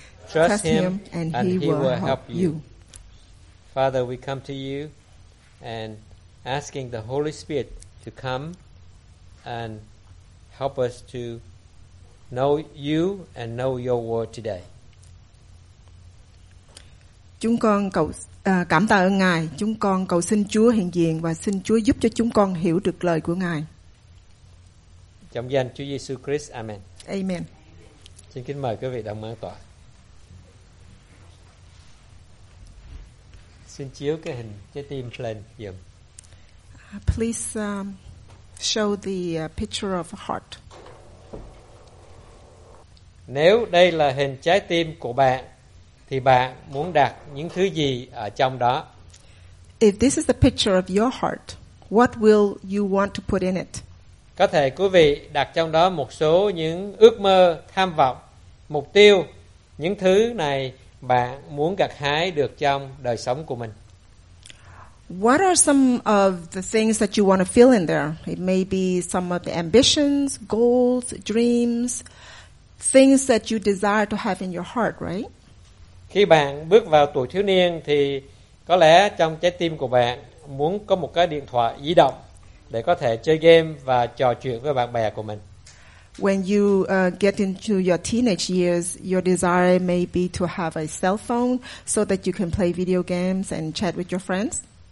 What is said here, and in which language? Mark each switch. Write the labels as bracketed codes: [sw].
[en] Trust him and he will help you. Father, we come to you and asking the Holy Spirit to come and help us to know you and know your word today. [vi] Chúng con cảm tạ ơn Ngài. Chúng con cầu xin Chúa hiện diện và xin Chúa giúp cho chúng con hiểu được lời của Ngài. Trong danh Chúa Giêsu Christ, Amen. Amen. Xin kính mời quý vị đồng an tọa. Xin chiếu cái hình trái tim lên giùm. [en] Please show the picture of heart. [vi] Nếu đây là hình trái tim của bạn, thì bạn muốn đặt những thứ gì ở trong đó? [en] If this is the picture of your heart, what will you want to put in it? [vi] Có thể quý vị đặt trong đó một số những ước mơ, tham vọng, mục tiêu, những thứ này bạn muốn gặt hái được trong đời sống của mình. [en] What are some of the things that you want to fill in there? It may be some of the ambitions, goals, dreams, things that you desire to have in your heart, right? [vi] Khi bạn bước vào tuổi thiếu niên thì có lẽ trong trái tim của bạn muốn có một cái điện thoại di động để có thể chơi game và trò chuyện với bạn bè của mình. [en] When you get into your teenage years, your desire may be to have a cell phone so that you can play video games and chat with your friends.